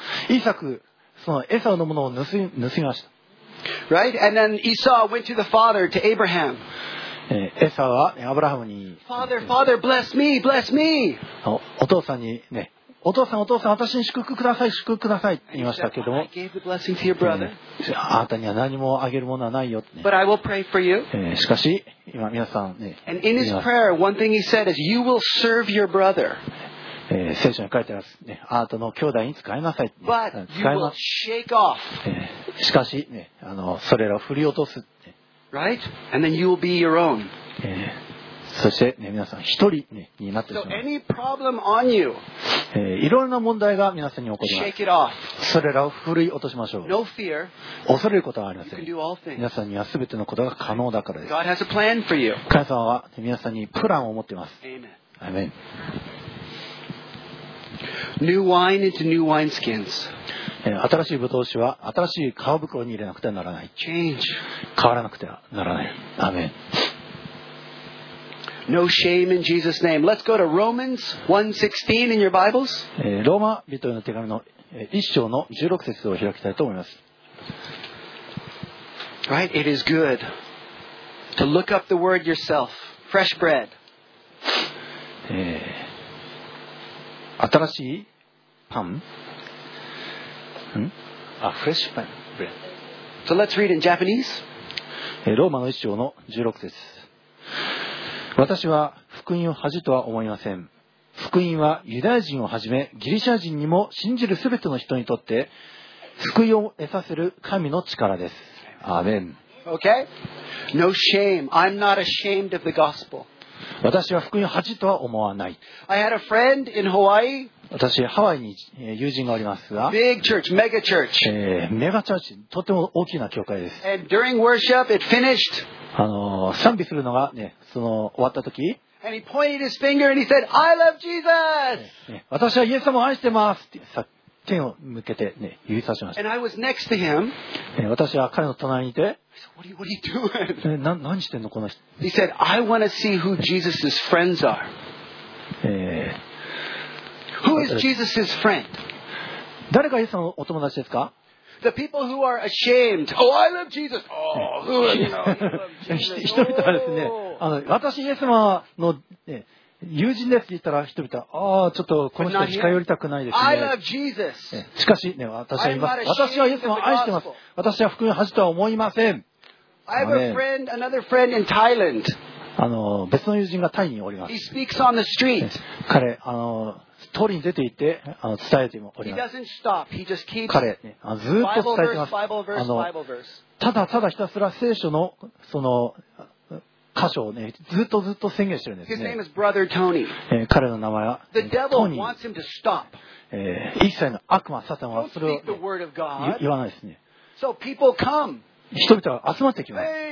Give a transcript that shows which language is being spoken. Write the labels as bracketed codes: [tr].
[ja] イサク、そのエサウのものを盗みました。 [en] Right? And then Esau went to the father, to Abraham. [ja] エサはアブラハムに [en] Father, Father, bless me, bless me. [ja] お父さんにね、お父さんお父さん私に祝福ください祝福くださいって言いましたけども、 [en] I gave the blessing to your brother. [ja] あなたには何もあげるものはないよって、ね、 [en] But I will pray for you. [ja] しかし今皆さんね、 [en] And in his prayer, one thing he said is, you will serve your brother. [ja] 聖書に書いてあります、ね、あなたの兄弟に使いなさい、ね、 [en] But you will shake off. [ja] しかしね、それらを振り落とす、ね、 [en] Right? And then you will be your own. [ja] そして、ね、皆さん一人、ね、になってしまう。 [en] So any problem on you, [ja] いろんな問題が皆さんに起こります。 [en] Shake it off. [ja] それらを振り落としましょう。 [en] No fear. [ja] 恐れることはありません。 [en] You can do all things. [ja] 皆さんには全てのことが可能だからです。 [en] God has a plan for you. [ja] 神様は皆さんにプランを持っています。 [en] Amen. New wine into new wine skins. [ja] 新しい葡萄酒は新しい皮袋に入れなくてはならない。 [en] Change. [ja] 変わらなくてはならない。 [en] Amen. No shame in Jesus' name. Let's go to Romans 1:16 in your Bibles. [ja] ローマ人への手紙の1章の16節を開きたいと思います。 [en] Right, it is good to look up the word yourself. Fresh bread. [ja] 新しいパン。ん？ [en] あ、fresh bread. So let's read in Japanese. [ja] ローマの1章の16節。私は福音を恥とは思いません。福音はユダヤ人をはじめギリシャ人にも信じるすべての人にとって救いを得させる神の力です。アーメン。 [en] OK. No shame. I'm not ashamed of the gospel. [ja] 私は福音を恥とは思わない。 [en] I had a friend in Hawaii. [ja] 私ハワイに友人がおりますが、 [en] Big church, mega church. [ja] メガチャーチ、とても大きな教会です。 [en] And during worship, it finished. [ja] 賛美するのがね、その終わったとき、 [en] And he pointed his finger and he said, I love Jesus!、 [ja] ね、私はイエス様を愛してますって、手を向けてね、指さしました。 [en] And I was next to him.、 [ja] 私は彼の隣にいて、 [en] I said, what are you doing? [ja] 何してんのこの人。 [en] He said, I want to see who Jesus' friends are.、Who is Jesus' friend? [ja] 誰がイエス様のお友達ですか。 [en] The people who are ashamed. Oh, I love Jesus. Oh, who is he? [ja] 人々はですね、私イエス様の、ね、友人ですって言ったら、人々は、ちょっとこの人近寄りたくないですね。 [en] I love Jesus. [ja] しかし、ね、私は今、私はイエス様を愛してます。私は福音を恥とは思いません。 [en] I have a friend, another friend in Thailand. [ja] 別の友人がタイにおります。 [en] He speaks on the street. [ja] 彼、通りに出て行って伝えております。彼、ずっと伝えてます。ただただひたすら聖書のその箇所をね、ずっとずっと宣言してるんですね。 [en] His name is Brother Tony. [ja] 彼の名前は、 [en] The devil wants him to stop. [ja] 一切の悪魔サタンはそれを、ね、言わないですね。 [en] So people come. [ja] 人々は集まってきます。